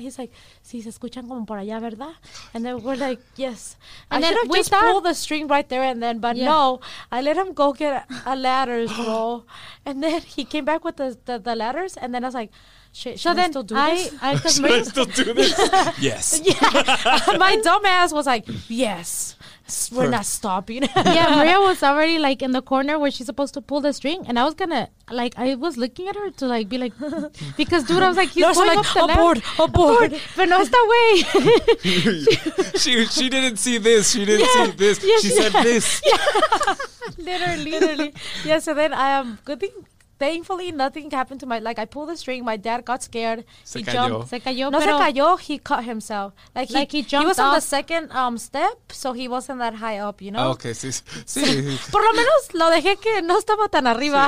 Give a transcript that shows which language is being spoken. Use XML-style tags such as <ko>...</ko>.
<en>He's like,</en> <es>si se escuchan como por allá, ¿verdad?</es> <en>And then we're like, yes. And I then should have just pulled the string right there and then. But no, I let him go get a ladder, bro. And then he came back with the ladders. And then I was like, should I still do this? Yes. Yeah. My dumb ass was like, yes. We're not stopping. Yeah, Maria was already like in the corner where she's supposed to pull the string. And I was going to, like, I was looking at her to like be like, because dude, I was like, he's going up the aboard. But not that way. She didn't see this. She didn't see this. Yes, she said this. Yeah. Literally. Yeah, so then I am good thing. Thankfully, nothing happened to my... Like, I pulled the string. My dad got scared.</en> <es>Se cayó.</es> <en>He cut himself. Like he jumped off. He was on the second step, so he wasn't that high up, you know? Oh, okay, sí.</en> <es>Por lo menos lo dejé que no estaba tan arriba.</es>